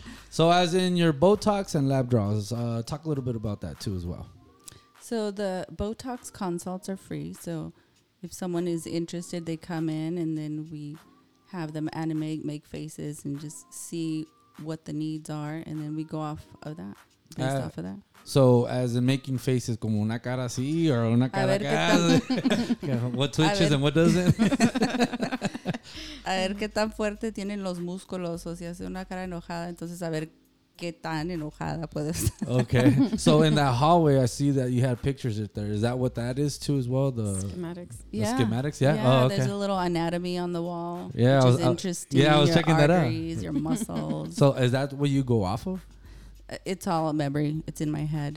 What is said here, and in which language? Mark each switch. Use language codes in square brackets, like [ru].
[en] So as in your Botox and lab draws, talk a little bit about that too as well. So the Botox consults are free. So if someone is interested, they come in and then we have them animate, make faces and just see what the needs are. And then we go off of that, based off of that. So as in making faces, [es] como una cara así [en] or [es] una cara así. [en] What twitches and what doesn't. [es] A ver qué tan fuerte tienen los músculos. O si hace una cara enojada, entonces a ver qué tan enojada puede ser. [en] Okay. So in that hallway, I see that you had pictures of there. Is that what that is too as well? The schematics. The schematics, yeah. Yeah, oh, okay. There's a little anatomy on the wall, yeah, which is interesting. Yeah, I was checking arteries, that out. Your arteries, your muscles. So is that what you go off of? It's all a memory. It's in my head.